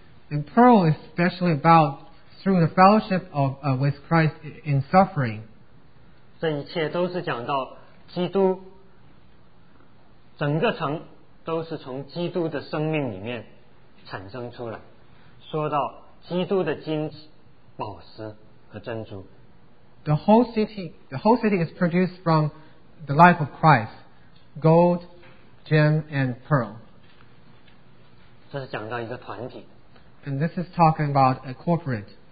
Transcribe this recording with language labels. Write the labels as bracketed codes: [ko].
[en] And pearl is especially about through the fellowship of with Christ in suffering. [zh] 这一切都是讲到基督整个城 都是从基督的生命里面产生出来，说到基督的金子、宝石和珍珠。 [en] The whole city is produced from the life of Christ, gold, gem, and pearl. [zh] 这是讲到一个团体。 [en] And this is talking about a corporate.